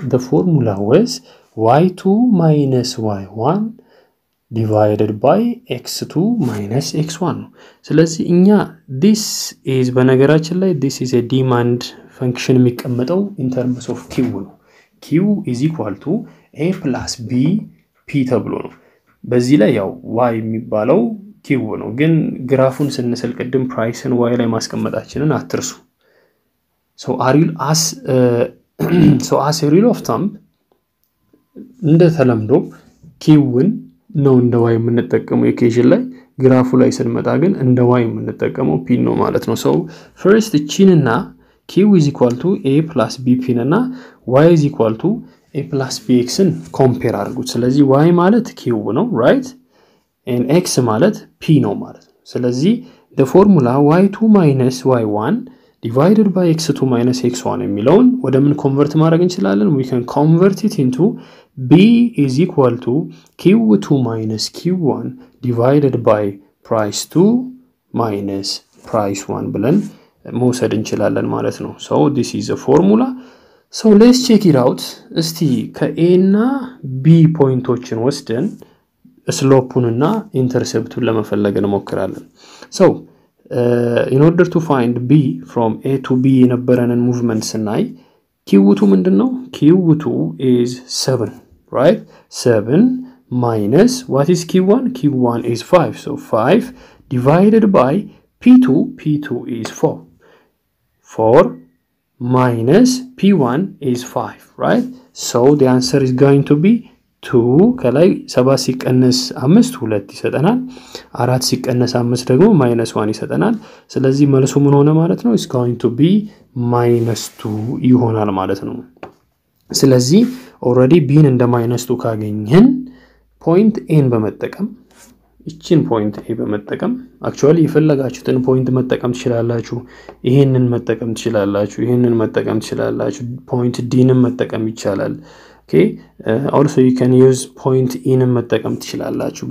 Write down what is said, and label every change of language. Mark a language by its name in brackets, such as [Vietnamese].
[English] The formula was y2 minus y1 divided by x2 minus x1. [Amharic] ስለዚህ እኛ [English] this is [Amharic] በነገራችን ላይ [English] this is a demand function [Amharic] የሚቀመጠው [English] in terms of q ነው. q is equal to a plus b p [Amharic] ተብሎ ነው. በዚህ ላይ ያው y የሚባለው q ነው. ግን ግራፉን ስንሰል ቀድም price-ን y ላይ ማስቀመጣችንን አትርሱ. [English] So as a rule of thumb [Amharic] እንደ ተለምዶ q-ን ነው እንደ y የምንጠቀመው equation ላይ ግራፉ ላይ ስንመጣ ግን እንደ y የምንጠቀመው p ነው ማለት ነው. [English] So first chin እና q is equal to a plus bp እና y is equal to a plus bx-ን compare አድርጉት. [Amharic] ስለዚህ y ማለት q ነው, [English] right? [Amharic] And x ማለት p ነው ማለት ነው. [English] ስለዚህ the formula y2 minus y1 divided by x2 minus x1 [Amharic] የሚለውን ወደ ምን [English] convert [Amharic] ማድረግ እንችላለን? [English] We can convert it into b is equal to q2 minus q1 divided by price 2 minus price 1 [Amharic] ብለን መውሰድ እንችላለን ማለት ነው. [English] So this is a formula. So let's check it out. [Amharic] እስቲ ከa እና b ፖይንቶችን ወስደን slope-ን እና intercept-ን ለመፈለግ እንሞክራለን. [English] So in order to find b from a to b [Amharic] የነበረንን [English] movement [Amharic] ስናይ q2 ምንድነው? [English] q2 is 7, right? 7 minus what is q1? q1 is 5. So 5 divided by p2. p2 is 4. 4 minus p1 is 5, right? So the answer is going to be 2. [Amharic] ከላይ 7 ሲቀነስ 5 2 ይሰጠናል, 4 ሲቀነስ 5 ደግሞ -1 ይሰጠናል. ስለዚህ መልሱ ምን ሆነ ማለት ነው? [English] It's going to be minus 2 [Amharic] ይሆናል ማለት ነው. ስለዚህ already b እንደ minus 2 ካገኘን point n በመጠቀም እቺን point a በመጠቀም actually ይፈልጋችሁትን point መጠቀም ትችላላችሁ, ይሄንን መጠቀም ትችላላችሁ, ይሄንን መጠቀም ትችላላችሁ, point dንም መጠቀም ይቻላል. [English] Okay, also you can use point in [Amharic] መጠቀም ትችላላችሁ.